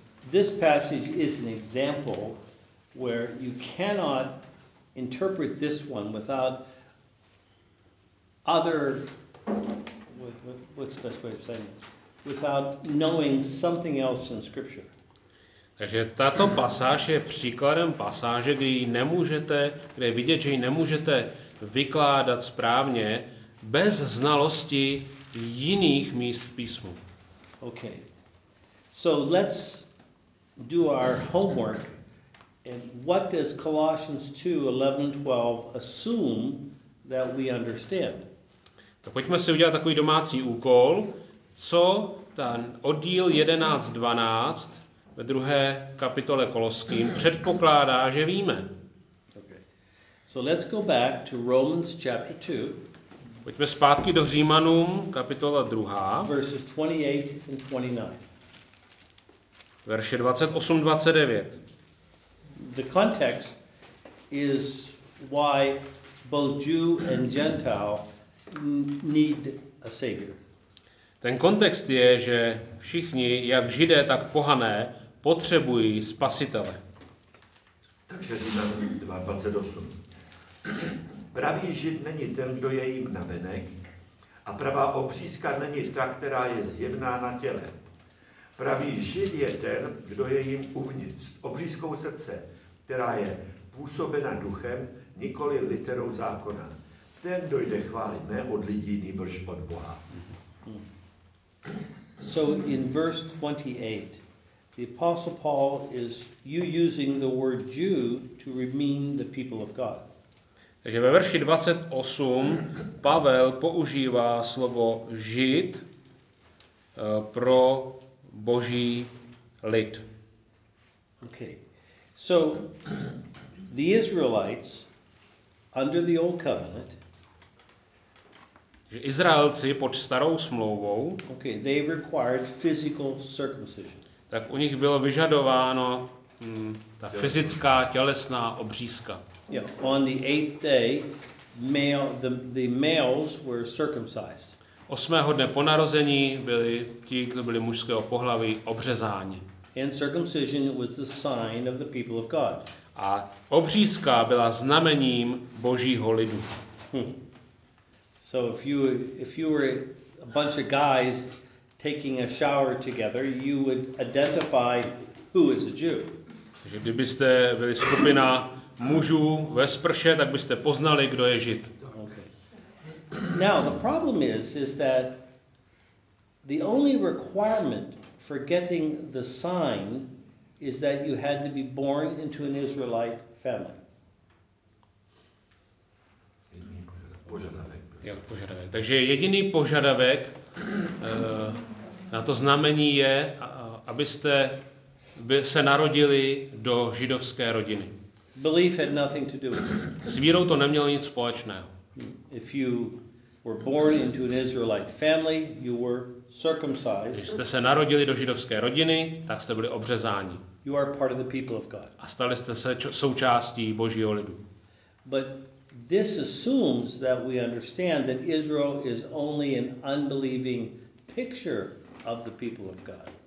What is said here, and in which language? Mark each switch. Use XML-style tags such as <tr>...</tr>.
<en>This passage is an example where you cannot interpret this one without other, what's the best way of saying it, without knowing something else in Scripture.</en> <cs>Takže tato pasáž je příkladem pasáže, kde ji nemůžete, kde je vidět, že ji nemůžete vykládat správně bez znalosti jiných míst v písmu.</cs> <en>Okay, so let's do our homework. And what does Colossians 2:11-12 assume that we understand?</en> <cs>Tak pojďme si udělat takový domácí úkol. Co ten oddíl 11:12 ve druhé kapitole Koloským předpokládá, že víme?</cs> <en>Okay. So let's go back to Romans chapter 2.</en> <cs>Pojďme zpátky do Římanům kapitola 2.</cs> <en>Verses 28 and 29.</en> <cs>Verše 28-29.</cs> <en>The context is why both Jew and Gentile need a savior.</en> <cs>Ten kontext je, že všichni, jak Židé, tak pohané, potřebují spasitele. Takže Římanům 2:28. Pravý Žid není ten, kdo je jim navenek, a pravá obřízka není ta, která je zjevná na těle. Pravý Žid je ten, kdo je jim uvnitř, obřízkou srdce, která je působena duchem, nikoli literou zákona. Ten dojde chválit ne od lidí, nýbrž od Boha.</cs> <en>So in verse 28, the Apostle Paul is using the word Jew to mean the people of God.</en> <cs>Takže ve verši 28 Pavel používá slovo Žid pro Boží lid.</cs> <en>Okay. So the Israelites under the old covenant,</en> <cs>že Izraelci pod starou smlouvou,</cs> <en>okay, they required physical circumcision.</en> <cs>Tak u nich bylo vyžadováno ta fyzická tělesná obřízka.</cs> <en>Yeah, on the eighth day the males were circumcised.</en> <cs>Osmého dne po narození byli ti, kdo byli mužského pohlaví, obřezáni.</cs> <en>And circumcision was the sign of the people of God.</en> <cs>A obřízka byla znamením Božího lidu.</cs> <en>So if you were a bunch of guys taking a shower together, you would identify who is a Jew.</en> <cs>Takže kdybyste byli skupina mužů ve sprše, tak byste poznali, kdo je Žid.</cs> <en>Now the problem is that the only requirement for getting the sign is that you had to be born into an Israelite family.</en> <cs>Požadavek. Takže jediný požadavek na to znamení je, abyste se narodili do židovské rodiny.</cs> <en>Belief had nothing to do with it.</en> <cs>S vírou to nemělo nic společného.</cs> <en>If you were born into an Israelite family, you were circumcised,</en> <cs>když jste se narodili do židovské rodiny, tak jste byli obřezáni.</cs> <en>You are part of the people of God.</en> <cs>A stali jste se součástí Božího lidu.</cs> <en>But this assumes that we understand that Israel is only an unbelieving picture of the people of God.</en>